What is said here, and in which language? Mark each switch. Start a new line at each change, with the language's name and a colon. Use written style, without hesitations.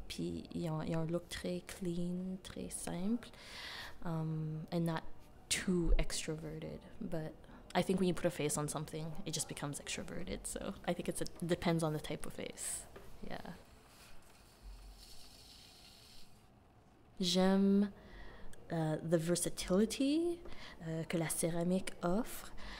French: Puis ils ont un look très clean, très simple,
English: and not too extroverted. But I think when you put a face on something, it just becomes extroverted. So I think it depends on the type of face. Yeah.
French: J'aime
English: the versatility
French: que la céramique offre.